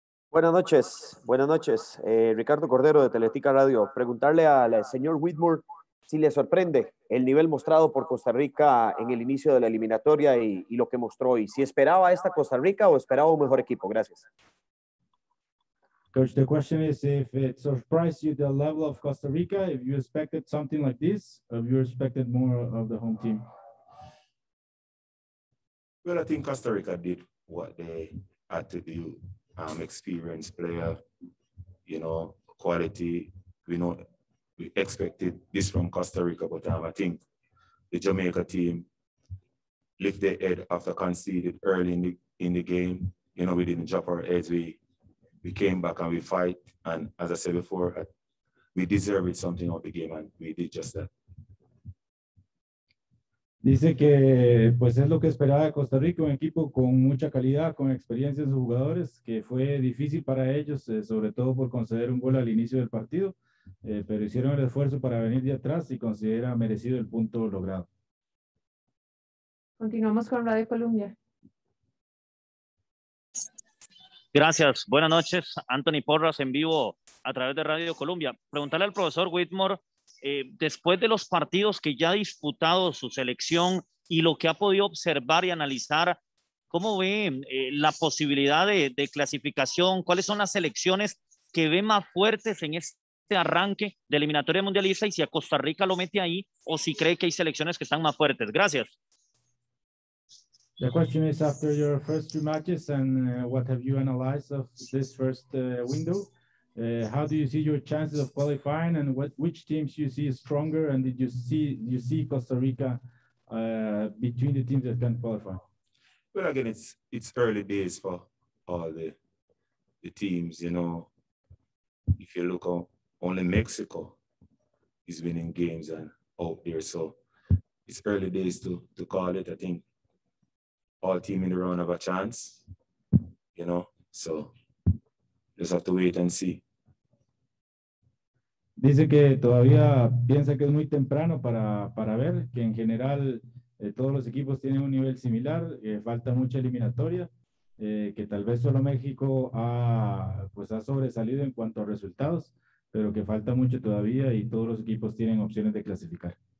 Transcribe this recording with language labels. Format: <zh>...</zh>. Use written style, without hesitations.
<es>Buenas noches, buenas noches. Ricardo Cordero de Teletica Radio. Preguntarle al señor Whitmore si le sorprende el nivel mostrado por Costa Rica en el inicio de la eliminatoria y lo que mostró hoy. Si esperaba esta Costa Rica o esperaba un mejor equipo. Gracias.</es> <en>Coach, the question is if it surprised you the level of Costa Rica, if you expected something like this, or if you expected more of the home team. Well, I think Costa Rica did what they had to do. Experienced player, you know, quality. We know we expected this from Costa Rica, but I think the Jamaica team lifted their head after conceded early in the game. You know, we didn't drop our heads. We came back and we fight. And as I said before, we deserved something of the game, and we did just that.</en> <es>Dice que pues es lo que esperaba de Costa Rica, un equipo con mucha calidad, con experiencia en sus jugadores, que fue difícil para ellos, sobre todo por conceder un gol al inicio del partido, pero hicieron el esfuerzo para venir de atrás y considera merecido el punto logrado. Continuamos con Radio Colombia. Gracias, buenas noches. Anthony Porras en vivo a través de Radio Colombia. Preguntarle al profesor Whitmore. Después de los partidos que ya ha disputado su selección y lo que ha podido observar y analizar, ¿cómo ve la posibilidad de clasificación? ¿Cuáles son las selecciones que ve más fuertes en este arranque de eliminatoria mundialista y si a Costa Rica lo mete ahí o si cree que hay selecciones que están más fuertes? Gracias.</es> <en>The question is after your first two matches and what have you analyzed of this first window? How do you see your chances of qualifying and which teams you see stronger and did you see Costa Rica between the teams that can qualify? Well, again, it's early days for all the teams, you know. If you look, only Mexico is winning games and out there, so it's early days to call it. I think all teams in the round have a chance, you know, so just have to wait and see.</en> <es>Dice que todavía piensa que es muy temprano para ver, que en general todos los equipos tienen un nivel similar, falta mucha eliminatoria, que tal vez solo México ha sobresalido en cuanto a resultados, pero que falta mucho todavía y todos los equipos tienen opciones de clasificar.</es>